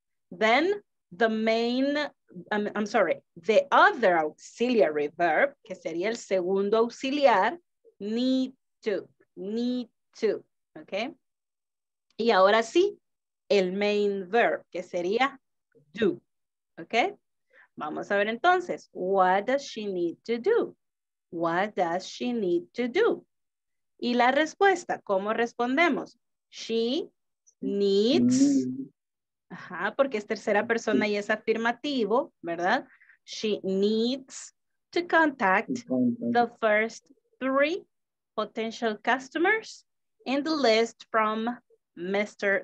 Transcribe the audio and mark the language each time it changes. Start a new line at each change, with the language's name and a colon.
English: Then the main, the other auxiliary verb,
Spanish: que sería el segundo auxiliar,
English: need to, okay?
Spanish: Y ahora sí, el main verb, que sería do, okay? Vamos a ver entonces,
English: what does she need to do? What does she need to do?
Spanish: Y la respuesta, ¿cómo respondemos?
English: She needs,
Spanish: ajá, porque es tercera persona y es afirmativo, ¿verdad?
English: She needs to contact the first three potential customers in the list from Mr.